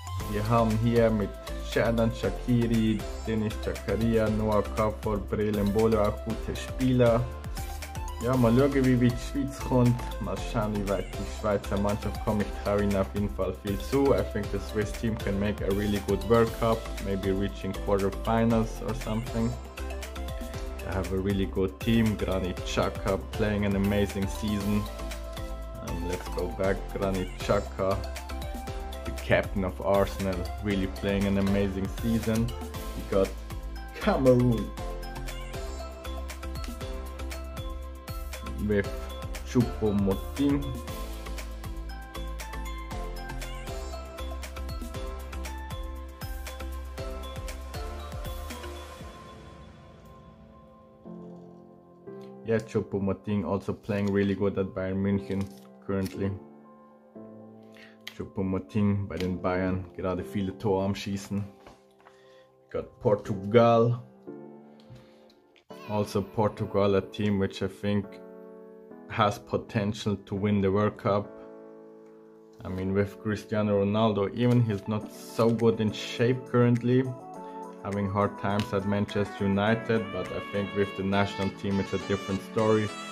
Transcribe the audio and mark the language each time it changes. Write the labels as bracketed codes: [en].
[de] Wir haben hier mit Shadan Shaqiri, Denis Chakaria, Noah Kapoor, Brelem Bolo, auch gute Spieler. Ja, mal schauen, wie weit die Schweiz kommt. Mal schauen, wie weit die Schweizer Mannschaft kommt. Ich traue ihnen auf jeden Fall viel zu. [en] I think the Swiss team can make a really good World Cup. Maybe reaching quarterfinals or something. They have a really good team. Granit Xhaka playing an amazing season. And let's go back. Granit Xhaka, the captain of Arsenal, really playing an amazing season. We got Cameroon with Choupo-Moting. Yeah, Choupo-Moting also playing really good at Bayern München currently. [de] Choupo-Moting bei den Bayern, gerade viele Tore am Schießen. [en] Got Portugal. Also Portugal, a team which I think has potential to win the World Cup. I mean, with Cristiano Ronaldo, even he's not so good in shape currently, having hard times at Manchester United, but I think with the national team it's a different story.